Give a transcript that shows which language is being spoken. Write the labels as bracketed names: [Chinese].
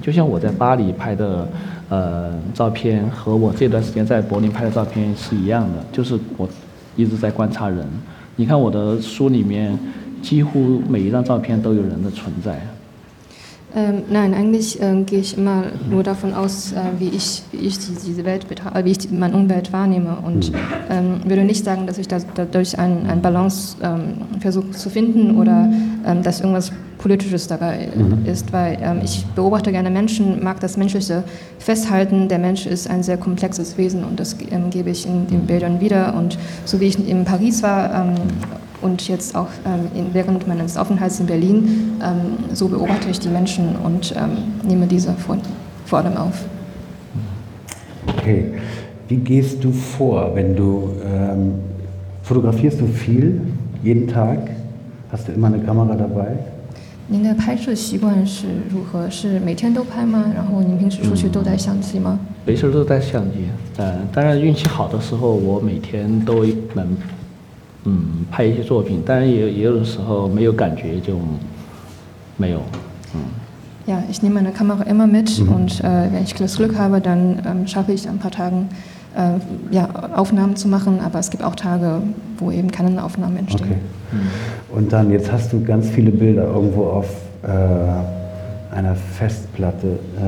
[Chinese] 就像我在巴黎拍的照片和我这段时间在柏林拍的照片是一样的，就是我一直在观察人。你看我的书里面几乎每一张照片都有人的存在。 [German] Nein, eigentlich gehe ich immer nur davon aus, wie ich diese Welt wie ich meine Umwelt wahrnehme. Und würde nicht sagen, dass ich dadurch ein Balance versuche zu finden oder dass irgendwas Politisches dabei ist, weil ich beobachte gerne Menschen, mag das Menschliche festhalten. Der Mensch ist ein sehr komplexes Wesen und das gebe ich in den Bildern wieder. Und so wie ich in Paris war, und jetzt auch während meines Aufenthalts in Berlin, so beobachte ich die Menschen und nehme diese vor allem auf. Okay, wie gehst du vor, wenn du, fotografierst du viel, jeden Tag? Hast du immer eine Kamera dabei? [Chinese] 您的拍摄习惯是如何？是每天都拍吗？然后您平时出去都带相机吗？没事都带相机，当然运气好的时候我每天都能拍一些作品，但是也有的时候没有感觉就没有。 [German] Ja, ich nehme meine Kamera immer mit und wenn ich das Glück habe, dann schaffe ich ein paar Tagen Aufnahmen zu machen, aber es gibt auch Tage, wo eben keine Aufnahmen entstehen. Okay. Und dann, jetzt hast du ganz viele Bilder irgendwo auf einer Festplatte.